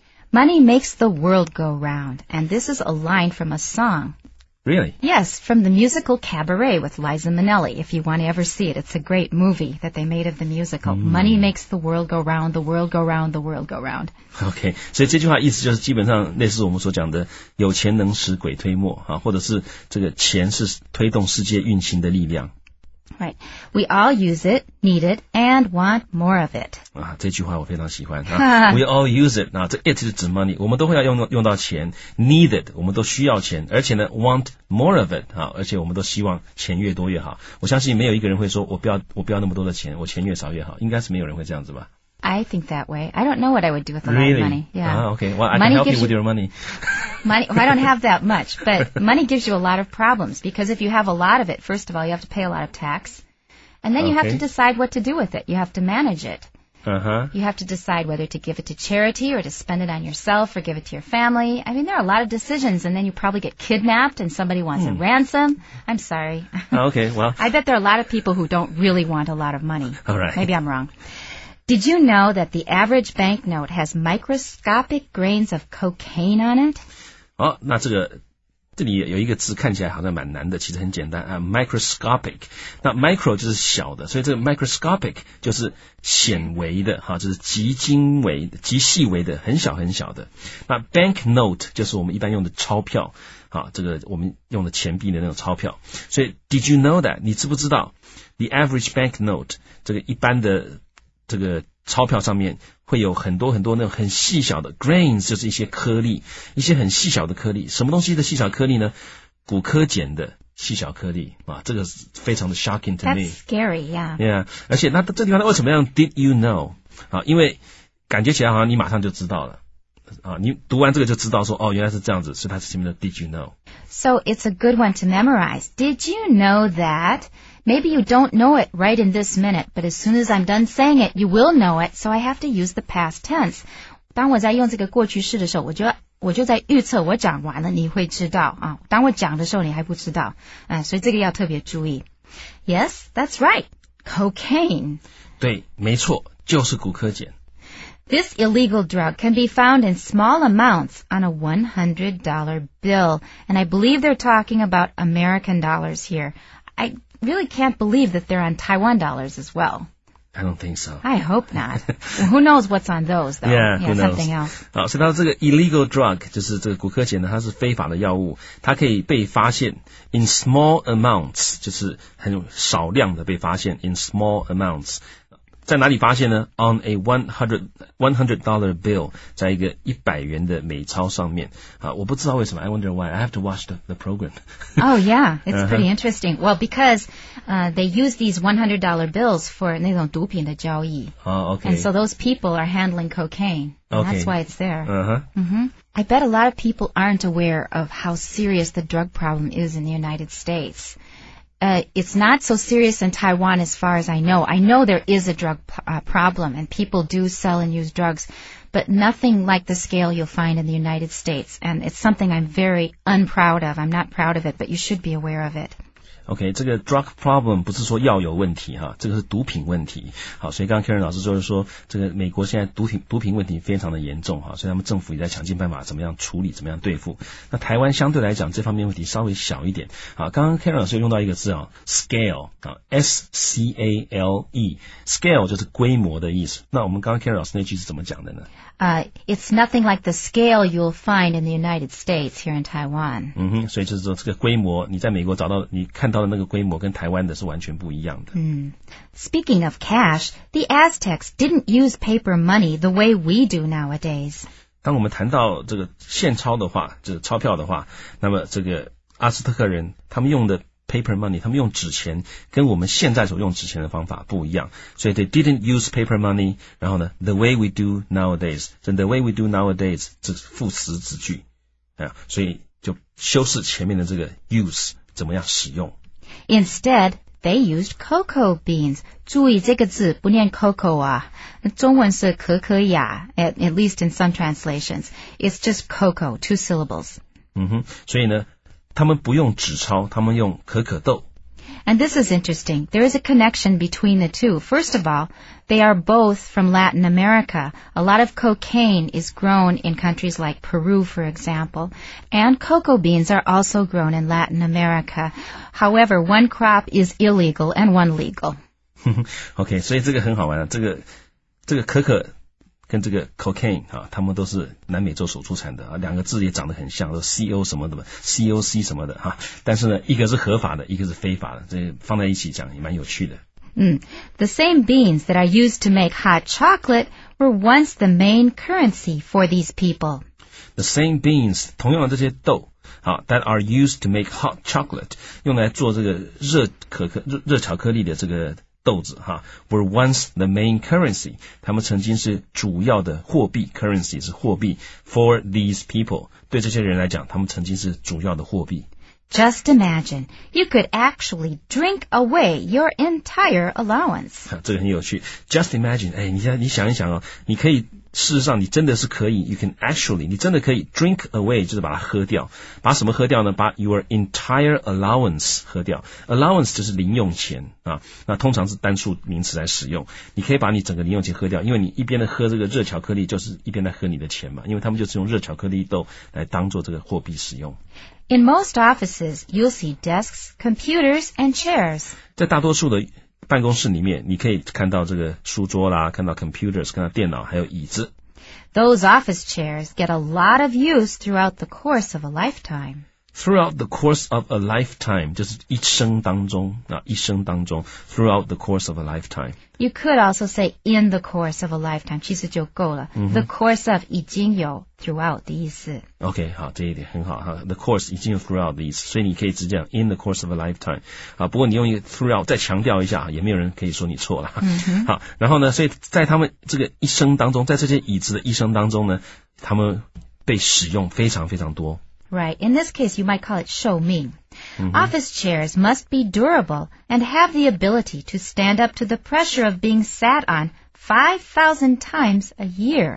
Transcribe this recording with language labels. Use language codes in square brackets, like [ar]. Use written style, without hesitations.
[en] Money makes the world go round, and this is a line from a song. Really? Yes, from the musical Cabaret with Liza Minnelli. If you want to ever see it, it's a great movie that they made of the musical.、 Mm. Money makes the world go round, the world go round, the world go round. [zh] Okay, 所以这句话意思就是基本上类似我们所讲的有钱能使鬼推磨、啊、或者是这个钱是推动世界运行的力量。 [en] Right, we all use it, need it, and want more of it. [zh] 啊，这句话我非常喜欢。啊、 [en] we all use it. [zh] 啊，这 it 是指 money， 我们都会要用到钱。 [en] Need it， [zh] 我们都需要钱，而且呢 ， [en] want more of it。 [zh] 啊，而且我们都希望钱越多越好。我相信没有一个人会说我不要那么多的钱，我钱越少越好。应该是没有人会这样子吧。 [en] I think that way. I don't know what I would do with a lot、really? of money. Yeah.、 Okay. Well, I money can help you with your money. Money. Well, I don't have that much, but money gives you a lot of problems because if you have a lot of it, first of all, you have to pay a lot of tax, and then you、 okay. have to decide what to do with it. You have to manage it. Uh-huh. You have to decide whether to give it to charity or to spend it on yourself or give it to your family. I mean, there are a lot of decisions, and then you probably get kidnapped and somebody wants、hmm. a ransom. I'm sorry. Okay, well. I bet there are a lot of people who don't really want a lot of money. All right. Maybe I'm wrong. Did you know that the average banknote has microscopic grains of cocaine on it? [zh] 哦，那这个这里有一个字看起来好像蛮难的，其实很简单啊 ，microscopic。那 micro 就是小的，所以这个 microscopic 就是显微的，哈，就是极精微、极细微的，很小很小的。那 banknote 就是我们一般用的钞票，啊，这个我们用的钱币的那种钞票。所以 ， [en] did you know that？ [zh] 你知不知道 ？ [en] The average banknote [zh] 这个一般的。这个钞票上面会有很多很多那种很细小的 grains， 就是一些颗粒，一些很细小的颗粒。什么东西的细小颗粒呢？骨科碱的细小颗粒啊，这个非常的 [en] shocking to me。 That's scary, yeah. [zh] Yeah， 而且那这地方为什么要 [en] did you know？ [zh] 啊，因为感觉起来好像你马上就知道了。你读完这个就知道说哦原来是这样子，所以它是前面的 [en] did you know。 So it's a good one to memorize. Did you know that? Maybe you don't know it right in this minute, but as soon as I'm done saying it, you will know it, so I have to use the past tense. [zh] 当我在用这个过去式的时候，我就在预测我讲完了你会知道啊。当我讲的时候你还不知道、啊、所以这个要特别注意。 Yes, that's right. Cocaine. 对，没错，就是骨科碱。 [en] This illegal drug can be found in small amounts on a $100 bill. And I believe they're talking about American dollars here. I really can't believe that they're on Taiwan dollars as well. I don't think so. I hope not. Well, who knows what's on those, though? Yeah, who knows? Something else. [zh] 好，所以它这个 [en] illegal drug, [zh] 就是这个骨科碱呢，它是非法的药物。它可以被发现 [en] in small amounts, [zh] 就是很少量的被发现 in small amounts. 在哪里发现呢 ？ [en] On a $100 bill， [zh] 在一个100元的美钞上面啊，我不知道为什么。 [en] I wonder why. I have to watch the program. Oh yeah, it's pretty interesting. Well, because they use these $100 bills for [zh] 那种毒品的交易。 [en] Oh, okay. And so those people are handling cocaine. Okay. That's why it's there. Mm-hmm. I bet a lot of people aren't aware of how serious the drug problem is in the United States. It's not so serious in Taiwan as far as I know. I know there is a drug problem and people do sell and use drugs, but nothing like the scale you'll find in the United States. And it's something I'm very unproud of. I'm not proud of it, but you should be aware of it. [zh] OK, 这个 [en] drug problem [zh] 不是说药有问题哈，这个是毒品问题。好，所以刚刚 Karen 老师就是说这个美国现在毒品问题非常的严重哈，所以他们政府也在想尽办法怎么样处理，怎么样对付。那台湾相对来讲这方面问题稍微小一点。好，刚刚 Karen 老师用到一个字啊， scale, S-C-A-L-E, scale 就是规模的意思。那我们刚刚 Karen 老师那句是怎么讲的呢？ It's nothing like the scale you'll find in the United States here in Taiwan. 嗯哼，所以就是说这个规模，你在美国找到你看到的那个规模跟台湾的是完全不一样的。嗯。 [en] Speaking of cash, the Aztecs didn't use paper money the way we do nowadays. [zh] 当我们谈到这个现钞的话，就是钞票的话，那么这个阿斯特克人他们用的 [en] paper money, [zh] 他们用纸钱跟我们现在所用纸钱的方法不一样。所以 [en] they didn't use paper money, [zh] 然后呢 [en] the way we do nowadays, so the way we do nowadays, [zh] 这是副词子句。所以就修饰前面的这个 use, 怎么样使用。 [en] Instead, they used cocoa beans. [zh] 注意这个字不念 cocoa 啊。中文是可可雅 [en] at least in some translations. It's just cocoa, two syllables. [zh] 嗯哼，所以呢他们不用纸钞，他们用可可豆。 [en] And this is interesting. There is a connection between the two. First of all, they are both from Latin America. A lot of cocaine is grown in countries like Peru, for example. And cocoa beans are also grown in Latin America. However, one crop is illegal and one legal. [zh] OK, 所以这个很好玩啊。这个可可跟这个 cocaine 啊，他们都是南美洲所出产的啊，两个字也长得很像，都 co 什么的嘛 ，coc 什么的哈、啊。但是呢，一个是合法的，一个是非法的，这放在一起讲也蛮有趣的。 [en] 嗯 ，the same beans that are used to make hot chocolate were once the main currency for these people. The same beans， [zh] 同样的这些豆啊 ， [en] that are used to make hot chocolate， [zh] 用来做这个热巧克力的这个。豆子哈 ， [en] were once the main currency， [zh] 他们曾经是主要的货币 ，currency 是货币 ， [en] for these people， [zh] 对这些人来讲，他们曾经是主要的货币。 [en] Just imagine, you could actually drink away your entire allowance. [zh] 这个很有趣。 [en] Just imagine, [zh] 哎，你想一想哦，你可以，事实上你真的是可以 ， [en] you can actually， [zh] 你真的可以 [en] drink away， [zh] 就是把它喝掉。把什么喝掉呢？把 [en] your entire allowance [zh] 喝掉。 Allowance 就是零用钱啊，那通常是单数名词来使用。你可以把你整个零用钱喝掉，因为你一边的喝这个热巧克力，就是一边在喝你的钱嘛，因为他们就是用热巧克力豆来当做这个货币使用。 [en] In most offices, you'll see desks, computers, and chairs. [zh] 在大多数的办公室里面，你可以看到这个书桌啦，看到 computers， 看到电脑，还有椅子。 [en] Those office chairs get a lot of use throughout the course of a lifetime. Throughout the course of a lifetime, [zh] 就是一生当中啊，一生当中 [en] throughout the course of a lifetime. You could also say in the course of a lifetime， [zh] 其实就够了。 Mm-hmm. [en] The course of [zh] 已经有 throughout 的意思。 OK， 好，这一点很好哈。 [en] The course [zh] 已经有 throughout 的意思，所以你可以直接讲 [en] in the course of a lifetime。 [zh] 啊，不过你用一个 throughout 再强调一下，也没有人可以说你错了。嗯、mm-hmm. 好，然后呢，所以在他们这个一生当中，在这些椅子的一生当中呢，他们被使用非常非常多。 [en] Right. In this case, you might call it show me.、Mm-hmm. Office chairs must be durable and have the ability to stand up to the pressure of being sat on 5,000 times a year.